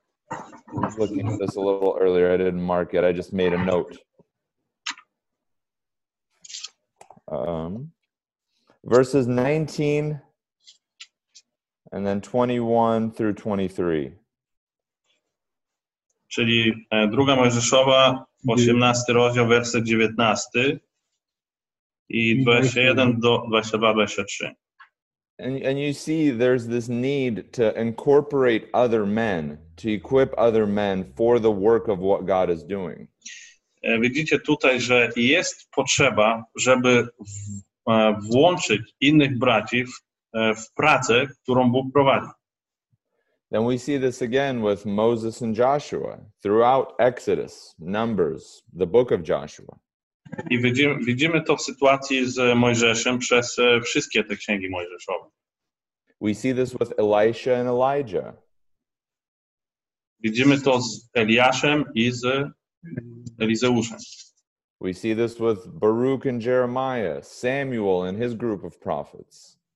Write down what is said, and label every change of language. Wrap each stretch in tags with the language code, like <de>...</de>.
<en>I was looking at this a little earlier. I didn't mark it. I just made a note. Verses 19 and then 21 through 23.</en> <pl>Czyli druga Mojżeszowa, 18 rozdział, werset 19 i 21 do 22, 23.</pl> <en>And you see there's this need to incorporate other men, to equip other men for the work of what God is doing.</en> <pl>Widzicie tutaj, że jest potrzeba, żeby włączyć innych braci w pracę, którą Bóg prowadzi.</pl> <en>Then we see this again with Moses and Joshua throughout Exodus, Numbers, the book of Joshua.</en> <pl>I widzimy to w sytuacji z Mojżeszem przez wszystkie te księgi Mojżeszowe.</pl> <en>We see this with Elisha and Elijah.</en> <pl>Widzimy to z Eliaszem i z Elizeuszem.</pl> <en>We see this with Baruch and Jeremiah, Samuel and his group of prophets.</en>